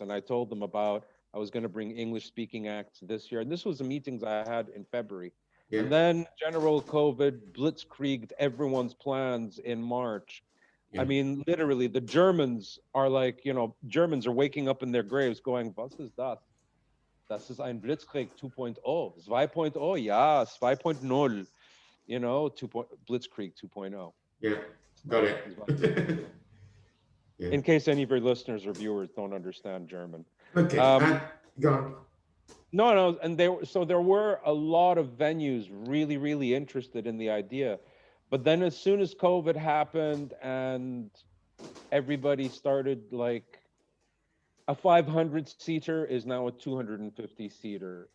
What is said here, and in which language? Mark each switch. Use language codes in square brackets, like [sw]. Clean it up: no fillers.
[en] And I told them about I was going to bring English-speaking acts this year. And this was the meetings I had in February. Yeah. And then general COVID blitzkrieged everyone's plans in March. Yeah. I mean, literally, the Germans are like, you know, Germans are waking up in their graves going, [de] was ist das? Das ist ein Blitzkrieg 2.0, 2.0, ja, 2.0, [en] you know, [de] Blitzkrieg 2.0. [en] Yeah, got it. Yeah. In case any of your listeners or viewers don't understand German. Okay, go on. No, and there were a lot of venues really, really interested in the idea. But then as soon as COVID happened and everybody started like, a 500-seater is now a 250-seater.